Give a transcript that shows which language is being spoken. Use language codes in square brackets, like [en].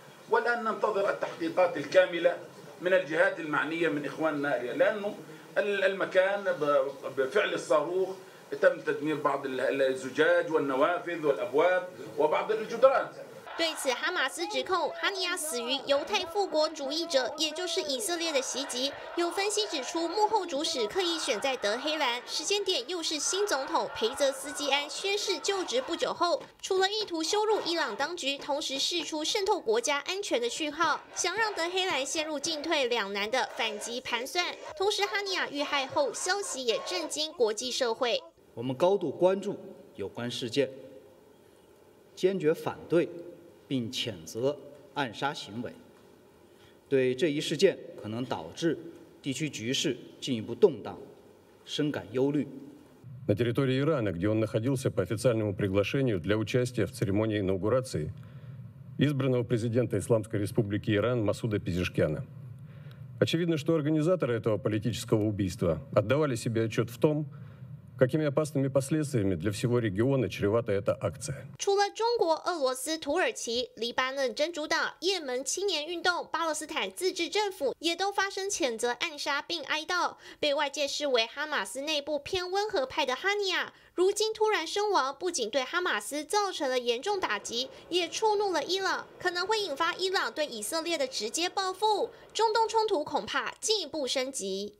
[ar] والآن ننتظر التحقيقات الكاملة من الجهات المعنية من إخواننا لأنه المكان بفعل الصاروخ تم تدمير بعض الزجاج والنوافذ والأبواب وبعض الجدران [zh] 对此，哈马斯指控哈尼亚死于犹太复国主义者，也就是以色列的袭击。有分析指出，幕后主使刻意选在德黑兰，时间点又是新总统裴泽斯基安宣誓就职不久后，除了意图羞辱伊朗当局，同时释出渗透国家安全的讯号，想让德黑兰陷入进退两难的反击盘算。同时，哈尼亚遇害后消息也震惊国际社会。我们高度关注有关事件，坚决反对。并谴责暗杀行为，对这一事件可能导致地区局势进一步动荡，深感忧虑。 [ru] На территории Ирана, где он находился по официальному приглашению для участия в церемонии инаугурации избранного президента Исламской Республики Иран Масуда Пезешкяна, очевидно, что организаторы этого политического убийства отдавали себе отчет в том. Какими опасными последствиями для всего региона чревата эта акция? [zh] 除了中国、俄罗斯、土耳其、黎巴嫩真主党、也门青年运动、巴勒斯坦自治政府也都发声谴责暗杀并哀悼，被外界视为哈马斯内部偏温和派的哈尼亚，如今突然身亡，不仅对哈马斯造成了严重打击，也触怒了伊朗，可能会引发伊朗对以色列的直接报复，中东冲突恐怕进一步升级。